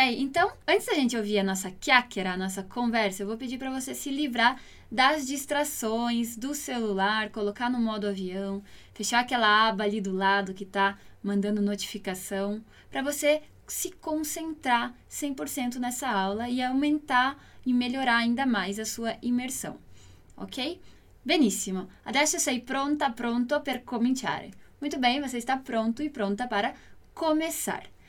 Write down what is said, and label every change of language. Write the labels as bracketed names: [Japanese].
[Portuguese] Então, antes da gente ouvir a nossa chiacchiera, a nossa conversa, eu vou pedir para você se livrar das distrações, do celular, colocar no modo avião, fechar aquela aba ali do lado que tá mandando notificação, para você se concentrar 100% nessa aula e aumentar e melhorar ainda mais a sua imersão. [Italian] Ok? Benissimo. Adesso sei pronta, pronto per cominciare. [Portuguese] Muito bem, você está pronto e pronta para começar.